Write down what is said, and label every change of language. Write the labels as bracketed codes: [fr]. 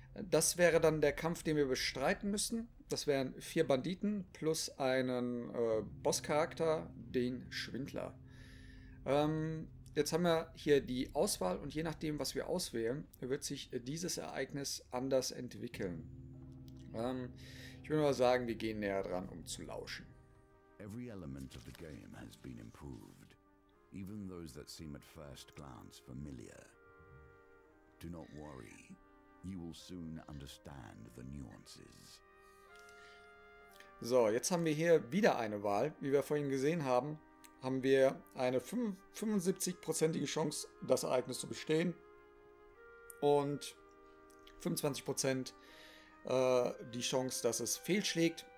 [de] Das wäre dann der Kampf, den wir bestreiten müssen. Das wären vier Banditen plus einen Bosscharakter, den Schwindler. Jetzt haben wir hier die Auswahl und je nachdem, was wir auswählen, wird sich dieses Ereignis anders entwickeln. Ich würde mal sagen, wir gehen näher dran, um zu lauschen. [en] Every element of the game has been improved. Even those that seem at first glance familiar. Do not worry. You will soon understand the nuances. [de] So, jetzt haben wir hier wieder eine Wahl, wie wir vorhin gesehen haben. Haben wir eine 75-prozentige Chance, das Ereignis zu bestehen und 25% die Chance, dass es fehlschlägt.